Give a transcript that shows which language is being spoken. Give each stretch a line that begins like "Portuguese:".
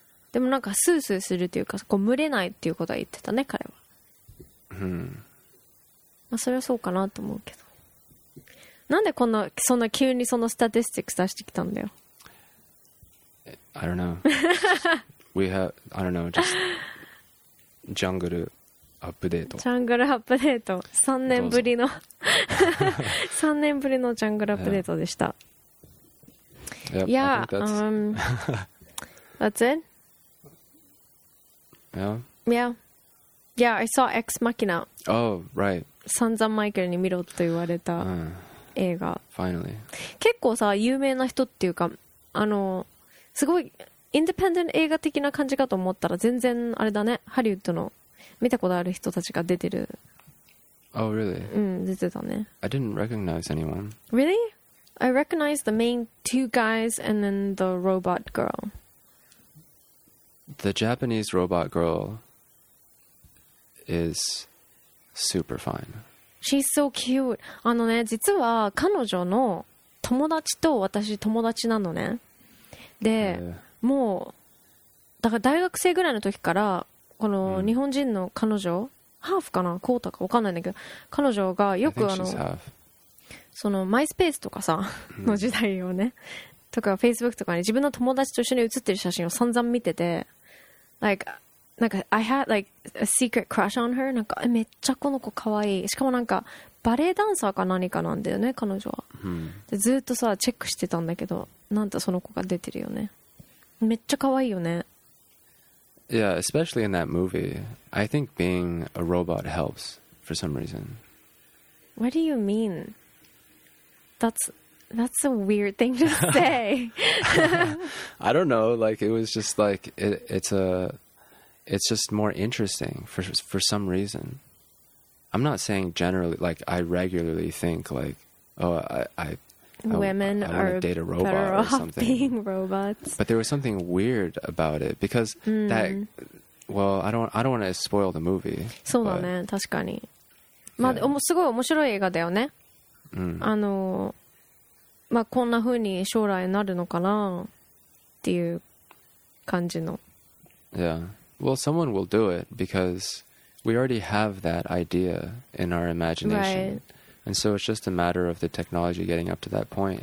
Japanese: でもなんかスースーするというか、こう蒸れないっていうことは言ってたね、彼は。 Hmm. まあそれはそうかなと思うけど。なんでこんな、そんな急にそのスタティスティック出してきたんだよ。
English: I don't know. We have, I don't know, just jungle update.
Japanese: Jungle update. 3年ぶりの3年ぶりの jungle update でした。
English: Yep, yeah, that's it? Yeah. Yeah. Yeah, I saw Ex Machina. Oh, right.
Japanese: 散々マイケルに見ろと言われた映画。
English: Finally.
Japanese: 結構さ、有名な人っていうか、あの、すごいインディペンデント映画的な感じかと思ったら全然あれだね、ハリウッドの見たことある人たちが出てる。
English: Oh, really?
Japanese: うん、出てたね。
English: I didn't recognize anyone. Really? I recognized the main two guys and then the robot girl. The Japanese robot girl is super fine. She's so cute.
Japanese: あのね、実は彼女の友達と私友達なのね。で、もうだから大学生ぐらいの時からこの日本人の彼女、ハーフかな、コータか分かんないんだけど、彼女がよくあのそのマイスペースとかさの時代をね、とかフェイスブックとかに自分の友達と一緒に写ってる写真を散々見てて、like なんか
English: I had like a secret crush on her、
Japanese: なんかめっちゃこの子可愛い、しかもなんかバレエダンサーか何かなんだよね彼女は。でずっとさチェックしてたんだけど、なんとその子が出てるよね。めっちゃ可愛いよね。
English: Yeah, especially in that movie. I think being a robot helps for some reason. What do you mean? That's a weird thing to say. I don't know. Like, it was just like, it's just more interesting for some reason. I'm not saying generally, like, I regularly think like, oh, I want to date a robot or something. Being robots. But there was something weird about it because that, well, I don't want to spoil the movie.
Japanese: そうだね、確かに。まあ、すごい面白い映画だよね。あの、まあ、こんな風に将来なるのかなっていう感じの。
English: Yeah. Well, someone will do it because we already have that idea in our imagination. Right. And so it's just a matter of the technology getting up to that point.